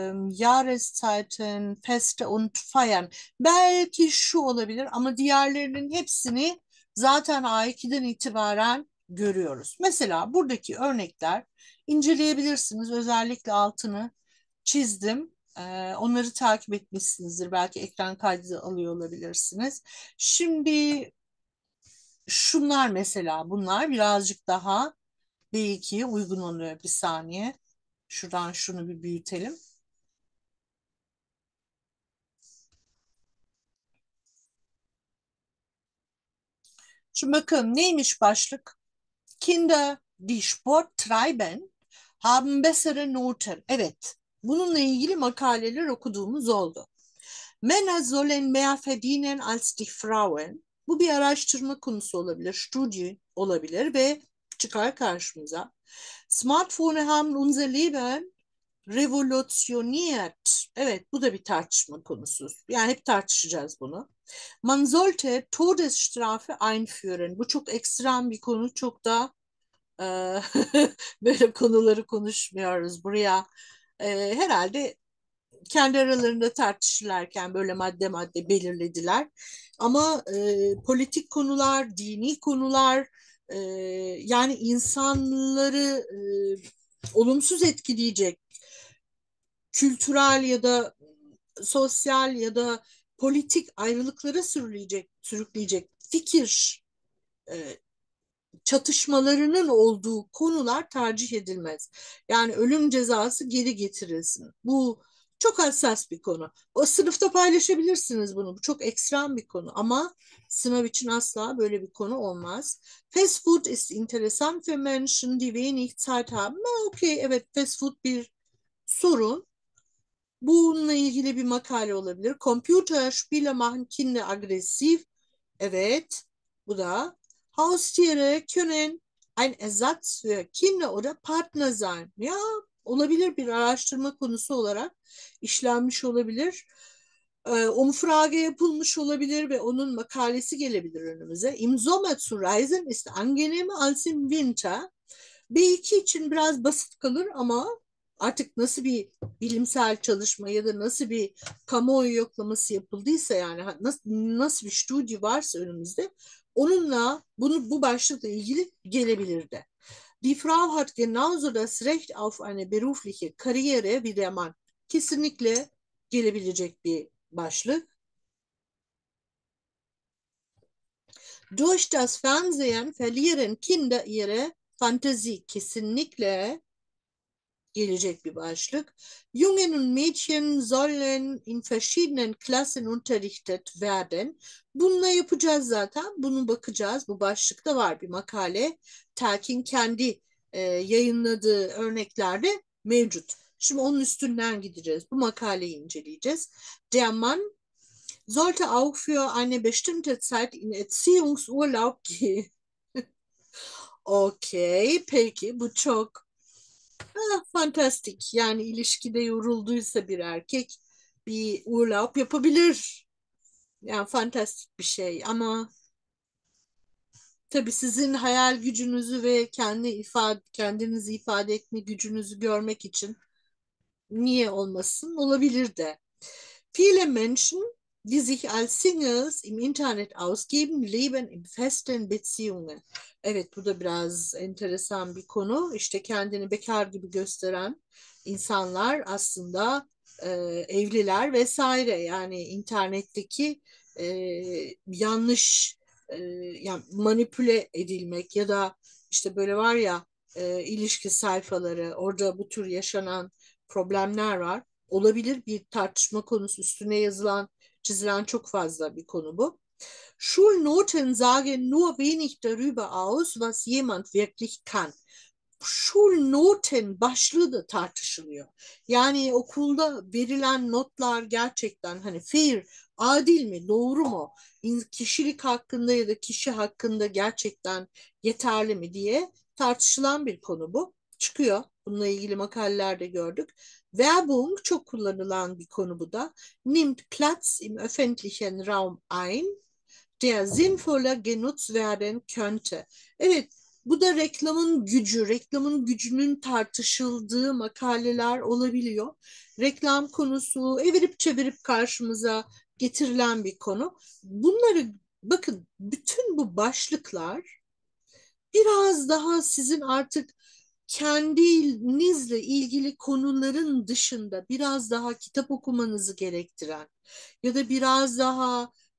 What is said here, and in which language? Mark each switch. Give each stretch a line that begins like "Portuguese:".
German: Jahreszeiten, Feste und Feiern.
Turkish: Belki şu olabilir, ama diğerlerinin hepsini zaten A2'den itibaren görüyoruz. Mesela buradaki örnekler inceleyebilirsiniz. Özellikle altını çizdim. Onları takip etmişsinizdir. Belki ekran kaydı alıyor olabilirsiniz. Şimdi şunlar mesela, bunlar birazcık daha B2'ye uygun oluyor. Bir saniye. Şuradan şunu bir büyütelim. Şimdi bakalım neymiş başlık?
German: Kinder, die Sport treiben, haben bessere Noten.
Turkish: Evet. Bununla ilgili makaleler okuduğumuz oldu.
German: Männer sollen mehr verdienen als die Frauen.
Turkish: Bu bir araştırma konusu olabilir, studi olabilir ve çıkar karşımıza.
German: Smartphone haben unser Leben revolutioniert.
Turkish: Evet, bu da bir tartışma konusu. Yani hep tartışacağız bunu.
German: Man sollte Todesstrafe einführen.
Turkish: Bu çok ekstrem bir konu. Çok da böyle konuları konuşmuyoruz buraya. Herhalde kendi aralarında tartışırlarken böyle madde madde belirlediler. Ama politik konular, dini konular, yani insanları olumsuz etkileyecek kültürel ya da sosyal ya da politik ayrılıklara sürükleyecek fikir çatışmalarının olduğu konular tercih edilmez. Yani ölüm cezası geri getirilsin. Bu çok hassas bir konu. O sınıfta paylaşabilirsiniz bunu. Bu çok ekstrem bir konu, ama sınav için asla böyle bir konu olmaz.
German: Fast food ist interessant für Menschen, die wenig Zeit haben.
Turkish: Okay, evet, fast food bir sorun. Bununla ilgili bir makale olabilir.
German: Computer spiele machen Kinder aggressiv.
Turkish: Evet, bu da.
German: Haustiere können ein Ersatz für Kinder oder Partner sein.
Turkish: Ya, olabilir, bir araştırma konusu olarak işlenmiş olabilir. Umfrage yapılmış olabilir ve onun makalesi gelebilir önümüze.
German: Im Sommer zu reisen ist angenehmer als im Winter.
Turkish: B2 için biraz basit kalır, ama artık nasıl bir bilimsel çalışma ya da nasıl bir kamuoyu yoklaması yapıldıysa, yani nasıl bir studi varsa önümüzde, onunla bu başlıkla ilgili gelebilirdi.
German: Die Frau hat genauso das Recht auf eine berufliche Karriere wie der Mann.
Turkish: Kesinlikle gelebilecek bir başlık.
German: Durch das Fernsehen verlieren Kinder ihre Fantasie.
Turkish: Kesinlikle gelecek bir başlık.
German: Jungen und Mädchen sollen in verschiedenen Klassen unterrichtet werden.
Turkish: Bununla yapacağız zaten. Bunu bakacağız. Bu başlıkta var bir makale. Telkin kendi yayınladığı örneklerde mevcut. Şimdi onun üstünden gideceğiz. Bu makaleyi inceleyeceğiz.
German: Der Mann sollte auch für eine bestimmte Zeit in Erziehungsurlaub gehen.
Turkish: Okay, peki bu çok fantastik. Yani ilişkide yorulduysa bir erkek bir urlaup yapabilir. Yani fantastik bir şey ama tabii sizin hayal gücünüzü ve kendinizi ifade etme gücünüzü görmek için niye olmasın? Olabilir de.
German: Viele Menschen, die sich als Singles im Internet ausgeben, leben in festen Beziehungen.
Turkish: Evet, bu da biraz enteresan bir konu. İşte kendini bekar gibi gösteren insanlar aslında evliler vesaire. Yani internetteki yanlış yani manipüle edilmek ya da işte böyle var ya ilişki sayfaları, orada bu tür yaşanan problemler var. Olabilir, bir tartışma konusu, üstüne yazılan, çizilen çok fazla bir konu bu.
German: Schulnoten sagen nur wenig darüber aus, was jemand wirklich kann.
Turkish: Schulnoten başlığı da tartışılıyor. Yani okulda verilen notlar gerçekten hani fair, adil mi, doğru mu? Kişilik hakkında ya da kişi hakkında gerçekten yeterli mi diye tartışılan bir konu bu. Çıkıyor. Bununla ilgili makalelerde gördük. Werbung çok kullanılan bir konu bu da.
German: Nimmt Platz im öffentlichen Raum ein, der sinnvoller genutzt werden könnte.
Turkish: Evet, bu da reklamın gücü, reklamın gücünün tartışıldığı makaleler olabiliyor. Reklam konusu evirip çevirip karşımıza getirilen bir konu. Bunları bakın, bütün bu başlıklar biraz daha sizin artık kendinizle ilgili konuların dışında biraz daha kitap okumanızı gerektiren ya da biraz daha